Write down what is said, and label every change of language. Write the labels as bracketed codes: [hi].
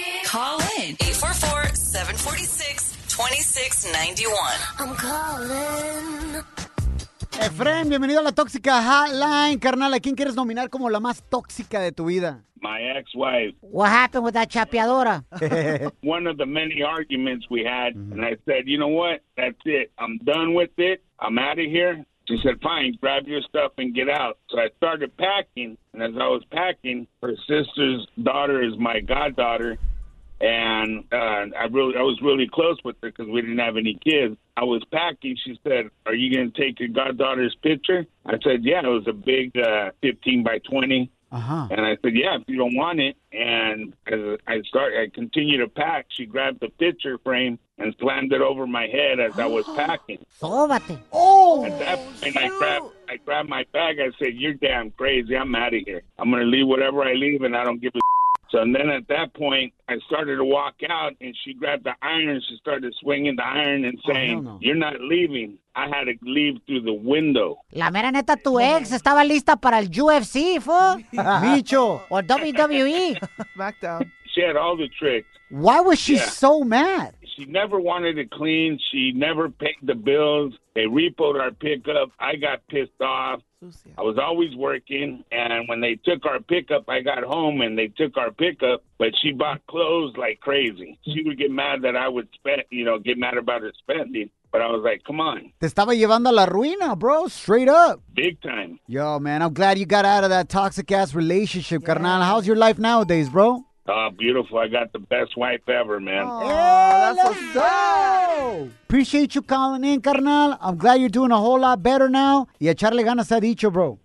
[en] Call in 844-746-2691. I'm calling. [es] Efren, bienvenido a la Tóxica Hotline. Carnal, ¿a quién quieres nominar como la más tóxica de tu vida? [en] My ex-wife. What happened with that chapeadora? One of the many arguments we had, and I said, you know what? That's it. I'm done with it. I'm out of here. She said, fine, grab your stuff and get out. So I started packing, and as I was packing, her sister's daughter is my goddaughter. And I was really close with her because we didn't have any kids. I was packing. She said, are you going to take your goddaughter's picture? I said, yeah. It was a big 15x20. Uh-huh. And I said, yeah, if you don't want it. And as I continued to pack, she grabbed the picture frame and slammed it over my head as I was packing. [es] Sóbate. [en] Oh, at that point, I grabbed my bag. I said, you're damn crazy. I'm out of here. I'm going to leave whatever I leave, and I don't give a So, and then at that point, I started to walk out, and she grabbed the iron. She started swinging the iron and saying, you're not leaving. I had to leave through the window. [es] La mera neta, tu ex estaba lista para el UFC, fo. Micho. [en] Or WWE. Back down. She had all the tricks. Why was she so mad? She never wanted to clean. She never paid the bills. They repoed our pickup. I got pissed off. I was always working, and when they took our pickup, I got home, and they took our pickup, but she bought clothes like crazy. She would get mad that I would spend, you know, get mad about her spending, but I was like, come on. [es] Te estaba llevando a la ruina, bro, [en] straight up. Big time. Yo, man, I'm glad you got out of that toxic-ass relationship, carnal. How's your life nowadays, bro? Oh, beautiful. I got the best wife ever, man. Appreciate you calling in, carnal. I'm glad you're doing a whole lot better now. [es] Y echarle ganas a dicho, bro.